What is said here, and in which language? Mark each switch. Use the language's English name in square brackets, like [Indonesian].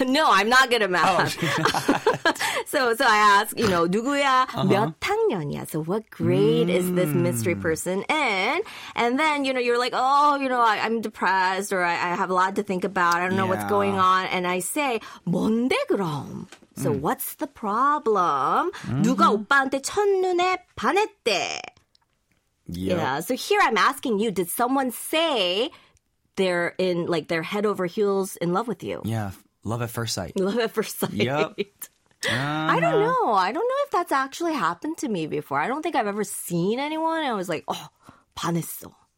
[English] No, I'm not good at math. Oh, so I ask, you know, [Korean] 누구야? 몇 학년이야? [English] So what grade is this mystery person in? And then, you know, you're like, oh, you know, I'm depressed, or I have a lot to think about. I don't know what's going on. And I say, [Korean] 뭔데 그럼? [English] So what's the problem? [Korean] 누가 오빠한테 첫눈에 반했대? [English] Yeah, so here I'm asking you, did someone say they're in, like, they're head over heels in love with you? Yeah, love at first sight. Love at first sight. Yep. I don't know. I don't know if that's actually happened to me before. I don't think I've ever seen anyone and I was like, oh, [Korean] 반했어.